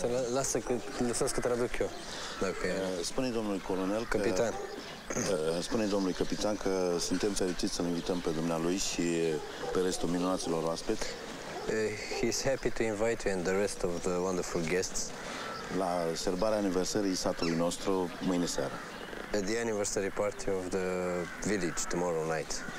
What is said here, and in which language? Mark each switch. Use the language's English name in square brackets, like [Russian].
[Romanian] Lasă că lăsați că traduc eu. Dacă spune domnului colonel că, capitan. Spune domnului capitan că suntem fericiți să-l invităm pe dumnealui și pe restul minunaților oaspeți. [English] He's happy to invite you and the rest of the wonderful guests [Romanian] la sărbarea aniversării satului nostru mâine seară. [English] At the anniversary party of the village tomorrow night.